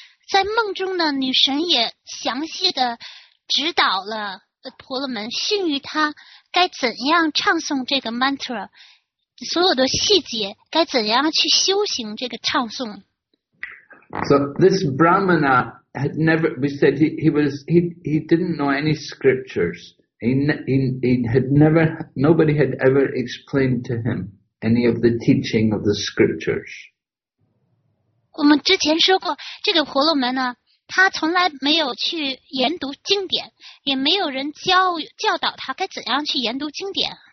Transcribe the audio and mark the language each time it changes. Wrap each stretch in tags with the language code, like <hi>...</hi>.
<zh>在梦中呢，女神也详细的指导了婆罗门，训谕他该怎样唱诵这个 mantra， 所有的细节该怎样去修行这个唱诵。</zh> <en>So this Brahmana had never, we said he didn't know any scriptures. Nobody had ever explained to him any of the teaching of the scriptures.</en> <zh>我们之前说过，这个婆罗门呢，他从来没有去研读经典，也没有人教导他该怎样去研读经典。</zh>